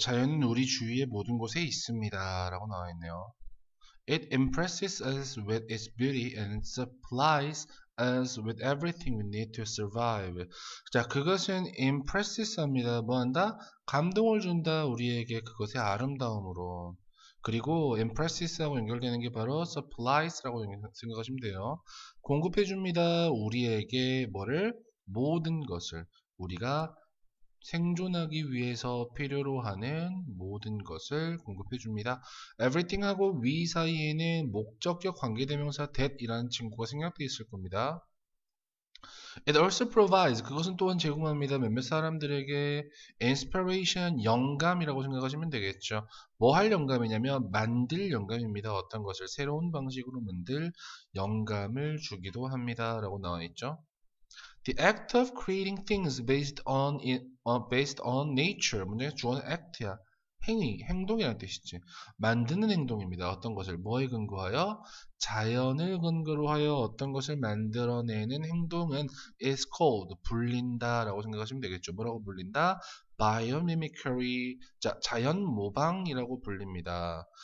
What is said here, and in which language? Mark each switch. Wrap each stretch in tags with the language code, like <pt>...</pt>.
<ko>자연은 우리 주위의 모든 곳에 있습니다. 라고 나와 있네요.</ko> <en>It impresses us with its beauty and supplies us with everything we need to survive.</en> <ko>자, 그것은 impresses 합니다. 뭐 한다? 감동을 준다. 우리에게 그것의 아름다움으로. 그리고 impresses하고 연결되는 게 바로 supplies라고 생각하시면 돼요. 공급해 줍니다. 우리에게 뭐를? 모든 것을. 우리가 생존하기 위해서 필요로 하는 모든 것을 공급해 줍니다. everything하고 we 사이에는 목적격 관계대명사 that이라는 친구가 생략되어 있을 겁니다.</ko> <en>It also provides,</en> <ko>그것은 또한 제공합니다. 몇몇 사람들에게 inspiration, 영감이라고 생각하시면 되겠죠. 뭐할 영감이냐면, 만들 영감입니다. 어떤 것을 새로운 방식으로 만들 영감을 주기도 합니다. 라고 나와 있죠.</ko> <en>The act of creating things based on nature.</en> <ko>문장의 주어는 act야. 행위, 행동이라는 뜻이지. 만드는 행동입니다. 어떤 것을 뭐에 근거하여? 자연을 근거로 하여 어떤 것을 만들어내는 행동은</ko> <en>is called,</en> <ko>불린다 라고 생각하시면 되겠죠. 뭐라고 불린다? biomimicry, 자, 자연 모방이라고 불립니다.</ko>